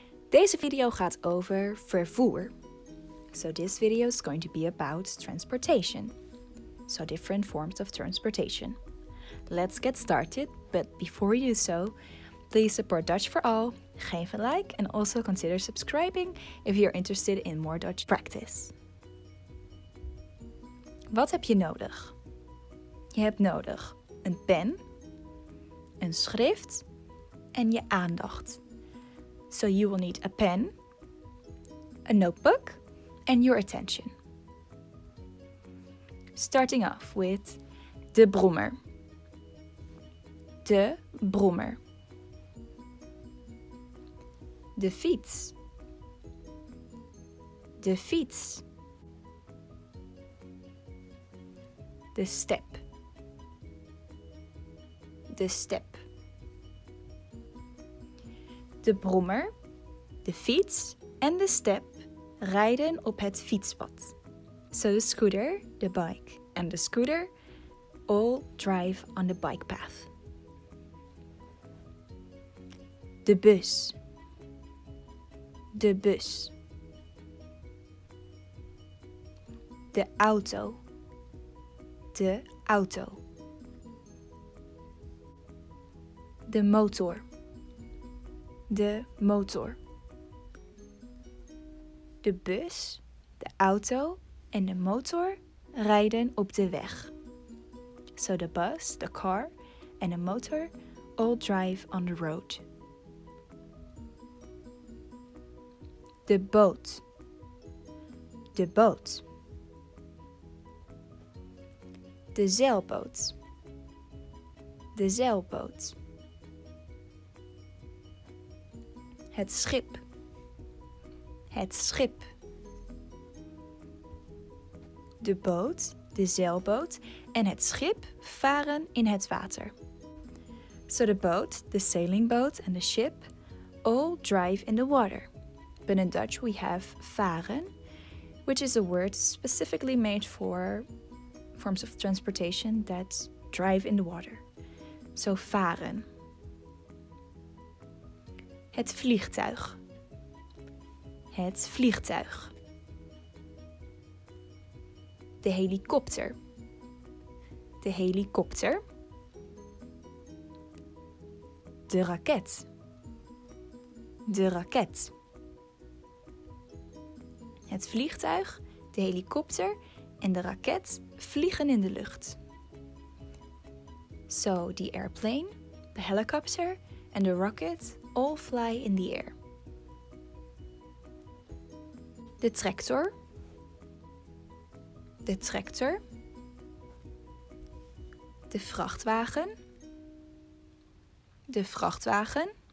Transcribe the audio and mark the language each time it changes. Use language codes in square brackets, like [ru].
[nl] Deze video gaat over vervoer. [en] So this video is going to be about transportation. So different forms of transportation. Let's get started, but before you do so, please support Dutch for All, [nl] geef een like [en] and also consider subscribing if you're interested in more Dutch practice. [nl] Wat heb je nodig? Je hebt nodig een pen, een schrift en je aandacht. [en] So you will need a pen, a notebook and your attention. Starting off with [nl] de brommer. De brommer. De fiets. De fiets. De step. De step. De brommer, de fiets en de step rijden op het fietspad. [en] So the scooter, the bike and the scooter all drive on the bike path. [nl] De bus. De bus. De auto. De auto. De motor. De motor. De bus, de auto en de motor rijden op de weg. [en] So the bus, the car and the motor all drive on the road. [nl] De boot. De boot. De zeilboot. De zeilboot. Het schip. Het schip. De boot, de zeilboot en het schip varen in het water. [en] So the boat, the sailing boat and the ship all drive in the water. But in Dutch we have varen, which is a word specifically made for forms of transportation that drive in the water. So varen. [nl] Het vliegtuig. Het vliegtuig. De helikopter. De helikopter. De raket. De raket. Het vliegtuig, de helikopter en de raket vliegen in de lucht. [en] So, the airplane, the helicopter and the rocket all fly in the air. [nl] De tractor. De tractor. De vrachtwagen. De vrachtwagen.